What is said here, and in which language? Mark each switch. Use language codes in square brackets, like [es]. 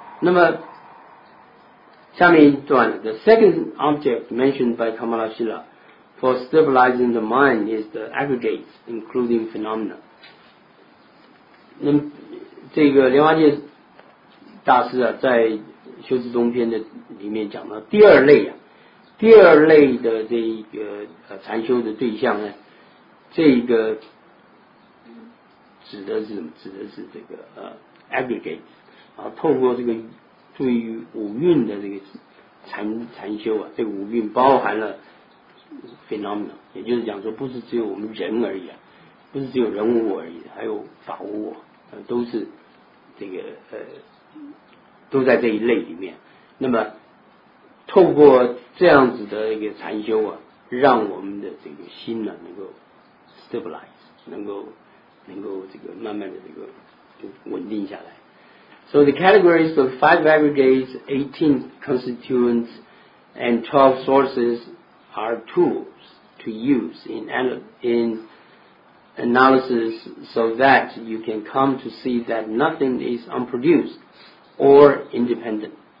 [zh] 那么下面一段， [en] The second object mentioned by Kamala Shila for stabilizing the mind is the aggregates including phenomena。 [zh] 那么这个莲花界大师啊，在修辞中篇的里面讲到第二类啊，第二类的这一个禅修的对象呢，这一个指的是什么？指的是这个aggregate 啊，透过这个对于五蕴的这个禅修啊，这个五蕴包含了 phenomena， 也就是讲说，不是只有我们人而已啊，不是只有人无我而已，还有法无我，都是这个都在这一类里面。那么透过这样子的一个禅修啊，让我们的这个心呢、啊、能够 stabilize， 能够这个慢慢的这个就稳定下来。 [en] So the categories of five aggregates, 18 constituents and 12 sources are tools to use in analysis so that you can come to see that nothing is unproducedor independent.